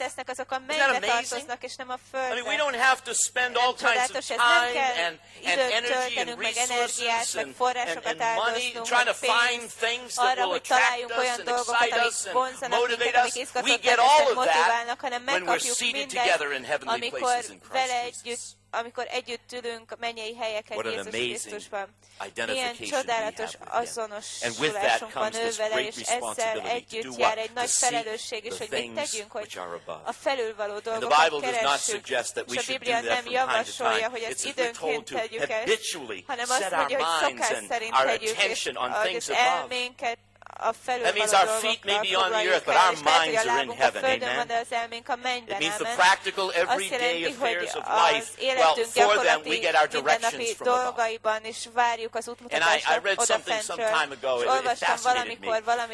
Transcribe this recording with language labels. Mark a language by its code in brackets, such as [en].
[en] Isn't that amazing? I mean, we don't have to spend all kinds of time and energy and resources and money trying to find things that will attract us and excite us and motivate us. We get all of that when we're seated together in heavenly places in Christ Jesus. [hu] Amikor együtt ülünk mennyei helyeken Jézus Krisztusban. Milyen csodálatos azonosulásunk van ő vele, és ezzel együtt jár egy nagy felelősség is, hogy mit tegyünk, hogy a felülvaló dolgokat keressük. És a Biblia nem javasolja, hogy ezt időnként tegyük el, hanem azt mondja, hogy szokás szerint tegyük, és az elménket. [en] That means our feet may be on the earth, but our minds are in heaven, amen? It means the practical, everyday affairs of life, well, for them we get our directions from above. And I read something some time ago, it fascinated me.